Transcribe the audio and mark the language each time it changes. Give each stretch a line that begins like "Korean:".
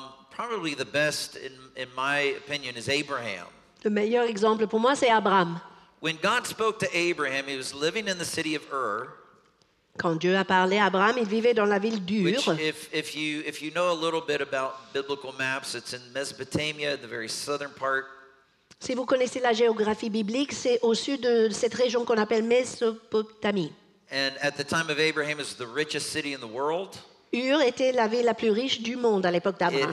English: Probably the best in my opinion is Abraham.
French: Le meilleur exemple pour moi c'est Abraham.
English: When God spoke to Abraham, he was living in the city of Ur.
French: Quand Dieu a parlé à Abraham, il vivait dans la ville d'Ur.
English: Which, if you know a little bit about biblical maps, it's in Mesopotamia, the very southern part.
French: Si vous connaissez la géographie biblique, c'est au sud de cette région qu'on appelle Mésopotamie.
English: And at the time of Abraham, it was the richest city in the world.
French: Ur était la ville la plus riche du monde à l'époque d'Abraham.